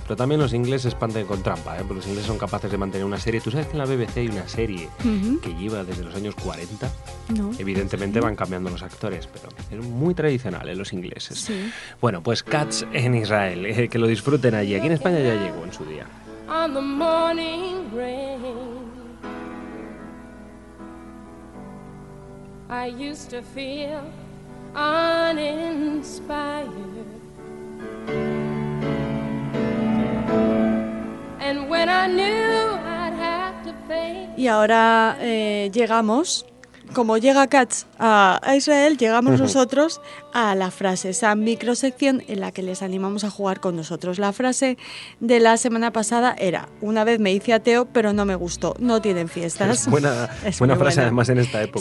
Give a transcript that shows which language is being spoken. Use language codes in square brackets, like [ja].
[es] Pero también los ingleses espanten con trampa, ¿eh? Porque los ingleses son capaces de mantener una serie. ¿Tú sabes que en la BBC hay una serie que lleva desde los años 40? No. Evidentemente van cambiando los actores, pero es muy tradicional, ¿eh? Los ingleses. Sí. Bueno, pues Cats en Israel, que lo disfruten allí. Aquí en España ya llegó en su día. [en] On the morning rain, I used to feel uninspired, and when I knew I'd have to pay. [es] Y ahora llegamos. Como llega Cats a Israel, llegamos nosotros a la frase, esa microsección en la que les animamos a jugar con nosotros. La frase de la semana pasada era, una vez me hice ateo, pero no me gustó, no tienen fiestas. Es buena frase, buena. Además en esta época.